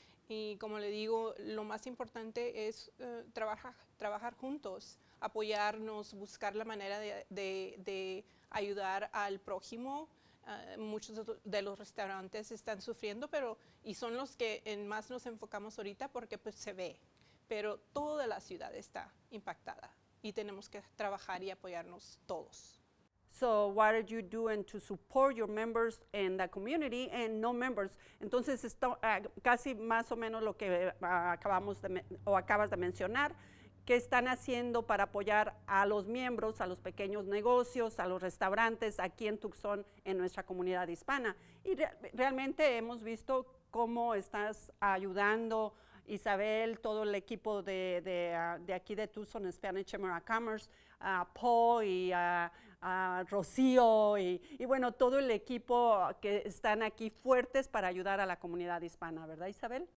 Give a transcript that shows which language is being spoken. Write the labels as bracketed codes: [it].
[es] Y como le digo, lo más importante es trabajar juntos, apoyarnos, buscar la manera de ayudar al prójimo. Muchos de los restaurantes están sufriendo, y son los que en más nos enfocamos ahorita porque pues se ve. Pero toda la ciudad está impactada y tenemos que trabajar y apoyarnos todos. [en] So what are you doing to support your members and the community and no members? [es] Entonces está casi más o menos lo que acabas de mencionar. ¿Qué están haciendo para apoyar a los miembros, a los pequeños negocios, a los restaurantes aquí en Tucson, en nuestra comunidad hispana? Y realmente hemos visto cómo estás ayudando, Isabel, todo el equipo de aquí de Tucson, Spanish Chamber of Commerce, Paul y Rocío, y bueno, todo el equipo que están aquí fuertes para ayudar a la comunidad hispana, ¿verdad, Isabel?